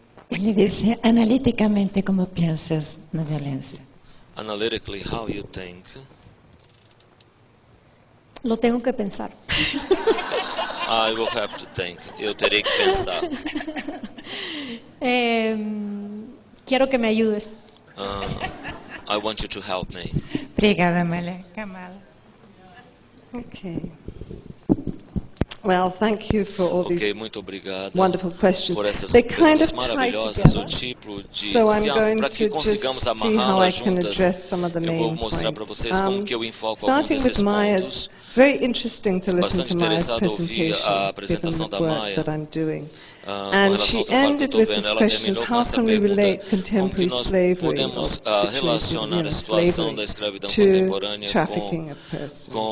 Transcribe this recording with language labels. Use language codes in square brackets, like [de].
[pt] Ele disse analiticamente como pensas na violência. [en] Analytically, how you think? [es] Lo tengo que pensar. [en] I will have to think. [pt] Eu terei que pensar. Quero que me ajudes. [en] I want you to help me. [pt] Obrigada, Amália. Kamala. [en] Okay. Well, thank you for all these wonderful questions. [pt] Por essas perguntas maravilhosas, o tipo de [en] so I'm going [pt] para que consigamos amarrá-las juntas, eu vou mostrar para vocês como que eu enfoco alguns desses pontos. [en] It's very interesting to listen to Maya's presentation, given the work that I'm doing. And she ended with this question: how can we relate contemporary slavery to trafficking of persons?